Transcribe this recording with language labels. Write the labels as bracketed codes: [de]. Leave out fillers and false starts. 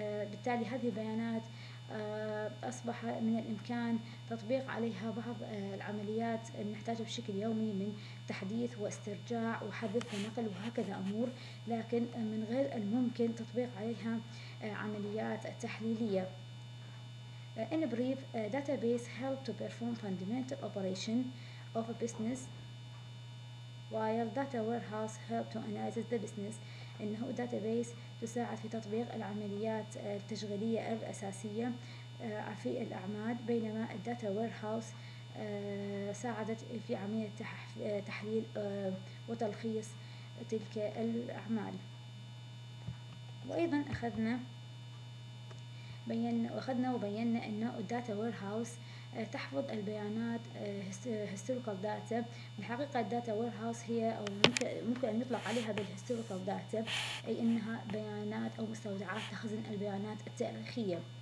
[ar] بالتالي هذه البيانات أصبح من الإمكان تطبيق عليها بعض العمليات نحتاجها بشكل يومي من تحديث واسترجاع وحذف ونقل وهكذا أمور، لكن من غير الممكن تطبيق عليها عمليات تحليلية. [en] In brief, a database help to perform fundamental operation of a business while data warehouse help to analyze the business، [ar] إنه database تساعد في تطبيق العمليات التشغيلية الأساسية في الأعمال، بينما Data Warehouse ساعدت في عملية تحليل وتلخيص تلك الأعمال. وأيضا أخذنا وبينا أن Data Warehouse تحفظ البيانات [en] historical data. [ar] بالحقيقة Data Warehouse هي أو ممكن أن نطلق عليها بال [en] historical data، [ar] أي أنها بيانات أو مستودعات تخزن البيانات التاريخية.